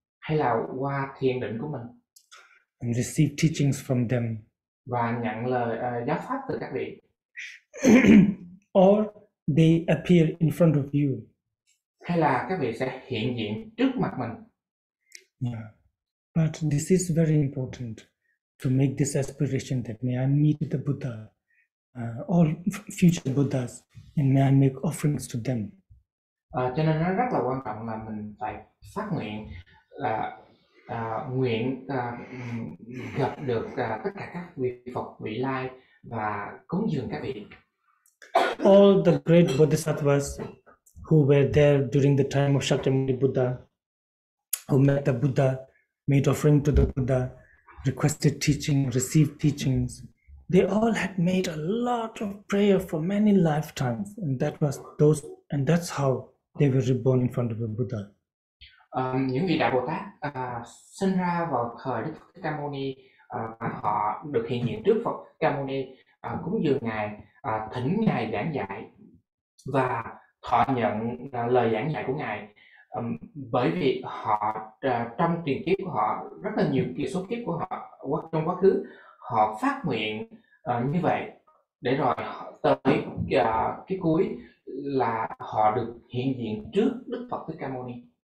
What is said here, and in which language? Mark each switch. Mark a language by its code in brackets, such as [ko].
[vi] Hay là qua thiền định của mình. [en] And receive teachings from them. [vi] Và nhận lời giáo pháp từ các vị. [en] Or they appear in front of you. [vi] Hay là các vị sẽ hiện diện trước mặt mình. Yeah. [en] But this is very important to make this aspiration that may I meet the Buddha, all future Buddhas, and may I make offerings to them. [vi] Cho nên nó rất là quan trọng là mình phải phát nguyện là nguyện gặp được tất cả các vị Phật, vị Lai và cúng dường các vị. [en] All the great Bodhisattvas who were there during the time of Shakyamuni Buddha, who met the Buddha, made offering to the Buddha, requested teaching, received teachings. They all had made a lot of prayer for many lifetimes, and that was those, and that's how they were reborn in front of the Buddha. [vi] Những vị đại Bồ Tát sinh ra vào thời Đức Thích Ca Mâu Ni, họ được hiện diện trước Phật Ca Mâu Ni, cúng dường ngài, thỉnh ngài giảng dạy và thọ nhận lời giảng dạy của ngài. Bởi vì họ trong tiền kiếp của họ, rất là nhiều kiếp, số kiếp của họ trong quá khứ, họ phát nguyện như vậy, để rồi tới cái cuối là họ được hiện diện trước Đức Phật Thích Ca Mâu Ni.